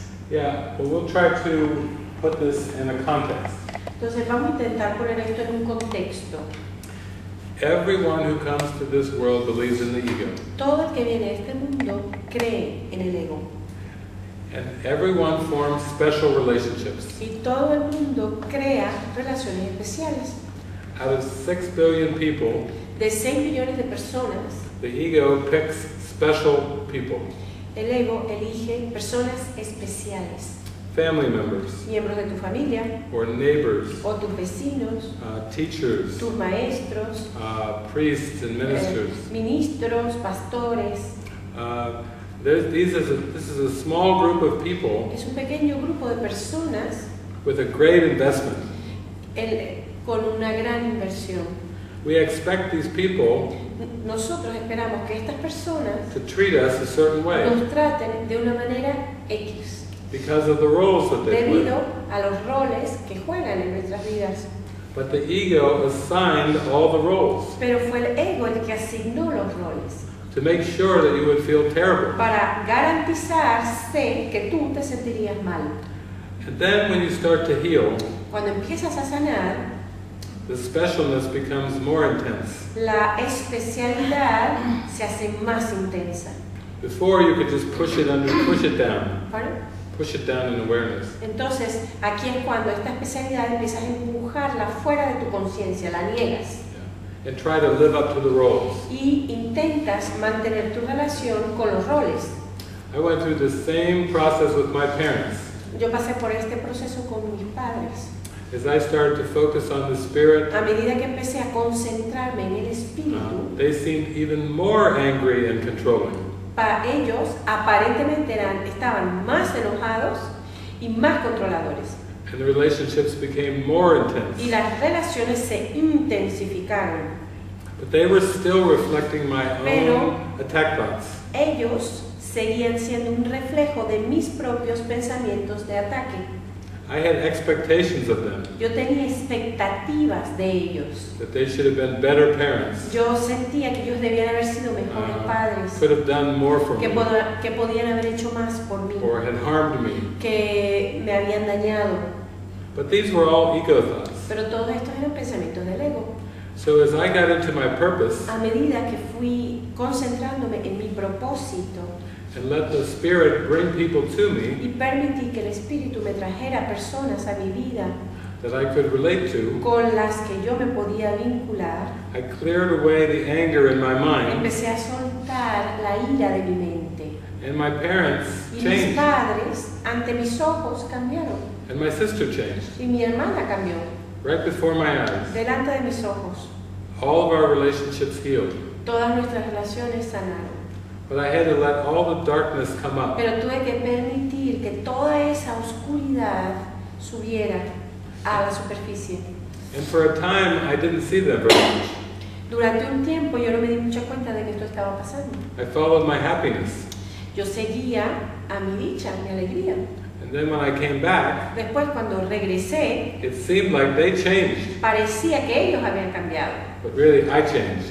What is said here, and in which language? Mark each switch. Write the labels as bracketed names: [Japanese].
[English] Yeah, we'll try to put this in a context. [Spanish] Entonces vamos a intentar poner esto en un contexto. [English] Everyone who comes to this world believes in the ego. [Spanish] Todo el que viene a este mundo cree en el ego. [English] And everyone forms special relationships. [Spanish] Y todo el mundo crea relaciones especiales. [English] Out of 6 billion people, [Spanish] de 6 millones de personas, [English] the ego picks special people. [Spanish] El ego elige personas especiales. [English] Family members, [Spanish] miembros de tu familia, [English] or neighbors, [Spanish] o tus vecinos, [English] teachers, [Spanish] tus maestros, [English] priests and ministers, [Spanish] ministros, pastores. [English] This is a small group of people. [Spanish] Es un pequeño grupo de personas. [English] With a great investment. [Spanish] Con una gran inversión. [English] We expect these people. [Spanish] Nosotros esperamos que estas personas. [English] To treat us a certain way. [Spanish] Nos traten de una manera X. [English] Because of the roles that they [Spanish] debido [English] play. [Spanish] A los roles que juegan en nuestras vidas. [English] But the ego assigned all the roles. [Spanish] Pero fue el ego el que asignó los roles. [English] To make sure that you would feel terrible. [Spanish] Para garantizarse que tú te sentirías mal. [English] And then when you start to heal, [Spanish] cuando empiezas a sanar, [English] the specialness becomes more intense. [Spanish] La especialidad se hace más intensa. [English] Before you could just push it under, push it down. Pardon? Push it down in awareness. [Spanish] Entonces, aquí es cuando esta especialidad empiezas a empujarla fuera de tu conciencia, la niegas. [English] Yeah. And try to live up to the roles. [Spanish] Y intentas mantener tu relación con los roles. [English] I went through the same process with my parents. [Spanish] Yo pasé por este proceso con mis padres. [English] As I started to focus on the spirit, [Spanish] a medida que empecé a concentrarme en el espíritu, [English] they seemed even more angry and controlling. [Spanish] Para ellos, aparentemente estaban más enojados y más controladores. [English] And the relationships became more intense. [Spanish] Y las relaciones se intensificaron. [English] But they were still reflecting my own attack thoughts. [Spanish] Ellos seguían siendo un reflejo de mis propios pensamientos de ataque. [English] I had expectations of them. [Spanish] Yo tenía expectativas de ellos. [English] That they should have been better parents. [Spanish] Yo sentía que ellos debían haber sido mejores padres. [English] Could have done more for [Spanish] que [English] me. [Spanish] Que podían haber hecho más por mí. [English] Or had harmed me. [Spanish] Que me habían dañado. [English] But these were all ego thoughts. [Spanish] Pero todos estos eran pensamientos del ego. [English] So as I got into my purpose, [Spanish] a medida que fui concentrándome en mi propósito, [English] and let the Spirit bring people to me, [Spanish] y permití que el Espíritu me trajera personas a mi vida, [English] that I could relate to, [Spanish] con las que yo me podía vincular, [English] I cleared away the anger in my mind, [Spanish] empecé a soltar la ira de mi mente, [English] and my parents changed. [Spanish] Y mis padres ante mis ojos cambiaron. [English] And my sister changed. [Spanish] Y mi hermana cambió. [English] Right before my eyes. [Spanish] Delante de mis ojos. [English] All of our relationships healed. [Spanish] Todas nuestras relaciones sanaron. [English] But I had to let all the darkness come up. [Spanish] Pero tuve que permitir que toda esa oscuridad subiera a la superficie. [English] And for a time, I didn't see that very much. [Spanish] Durante un tiempo, yo no me di mucha cuenta de que esto estaba pasando. [English] I followed my happiness. [Spanish] Yo seguía a mi dicha, a mi alegría. [English] Then when I came back, [Spanish] después cuando regresé, [English] it seemed like they changed. [Spanish] Parecía que ellos habían cambiado. [English] But really, I changed.